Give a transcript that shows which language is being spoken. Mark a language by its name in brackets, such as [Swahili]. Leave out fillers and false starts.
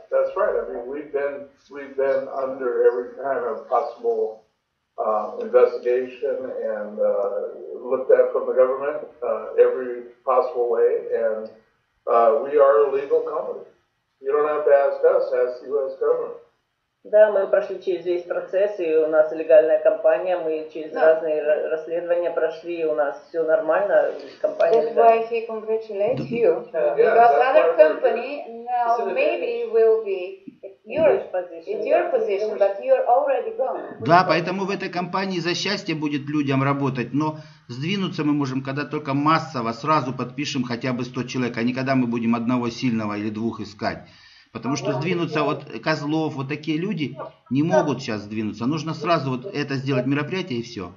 [English] That's right. I mean, we've been under every kind of possible investigation and looked at from the government every possible way, and we are a legal company. You don't have to ask us, ask the U.S. government. [Russian] Да, мы прошли через весь процесс, и у нас легальная компания, мы через разные расследования прошли, и у нас все нормально с компанией. [English] That's why he congratulates you, because other company now maybe will be in your position, but you're already gone. [Russian] Да, поэтому в этой компании за счастье будет людям работать, но сдвинуться мы можем, когда только массово, сразу подпишем хотя бы 100 человек, а не когда мы будем одного сильного или двух искать. Потому что сдвинуться, вот Козлов, вот такие люди не могут сейчас сдвинуться. Нужно сразу вот это сделать мероприятие и все.